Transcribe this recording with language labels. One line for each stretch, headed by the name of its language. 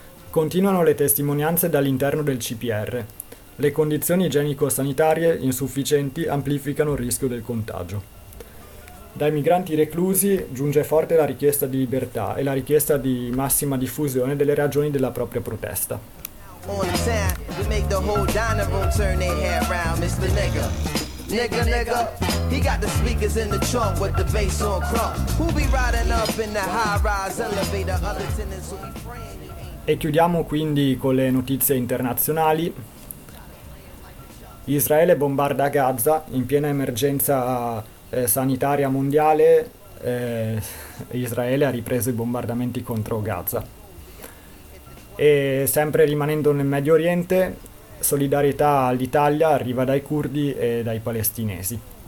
Italian: Continuano le testimonianze dall'interno del CPR. Le condizioni igienico-sanitarie insufficienti amplificano il rischio del contagio. Dai migranti reclusi giunge forte la richiesta di libertà e la richiesta di massima diffusione delle ragioni della propria protesta.
English: on the town. We make the whole dining room turn their hair around. Mr. Nigga, nigga, nigga. He got the speakers in the trunk with the bass on crunk. Who be riding up in the high-rise elevator? Other tenants will be praying.
Italian: E chiudiamo quindi con le notizie internazionali. Israele bombarda Gaza in piena emergenza sanitaria mondiale. Israele ha ripreso i bombardamenti contro Gaza. E sempre rimanendo nel Medio Oriente, solidarietà all'Italia arriva dai curdi e dai palestinesi.